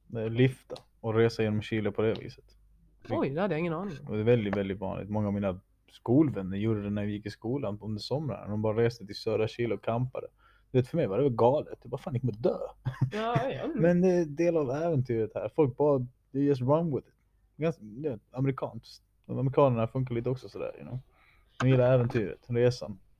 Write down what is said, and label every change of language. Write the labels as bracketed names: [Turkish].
[Swedish] Lyfta och resa genom Chile på det viset. Oj, det hade jag ingen aning om. Det är väldigt, väldigt vanligt. Många av mina skolvänner gjorde det när vi gick i skolan under somrarna. De bara reste till södra Chile och campade. Vet, för mig var det galet. Jag bara, fan, jag kommer dö. Ja. Men det är del av äventyret här. Folk bara, [English] they just run with it. [Swedish] Amerikanskt. De amerikanerna funkar lite också sådär, [English] you know. [Swedish] De gillar äventyret, resan.